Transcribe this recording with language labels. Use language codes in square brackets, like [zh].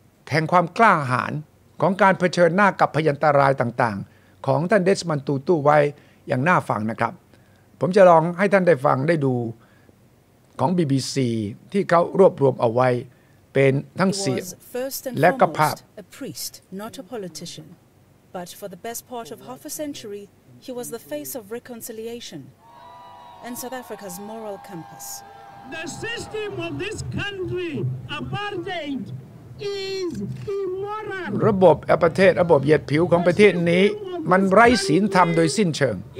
[th] แห่งความกล้าหาญของการเผชิญหน้ากับพยันตรายต่างๆของท่านเดสมันตูตู้ไว้อย่างน่าฟังนะครับผมจะลองให้ท่านได้ฟังได้ดูของ BBC ที่เขารวบรวมเอาไว้เป็นทั้งเสียงและก็ภาพ [en] A priest, not a politician. But for the best part of half a century, he was the face of reconciliation and South Africa's moral compass. The system of this country, apartheid, is immoral. [th] ระบบประเทศระบบเหยียดผิวของประเทศนี้มันไร้ศีลธรรมโดยสิ้นเชิง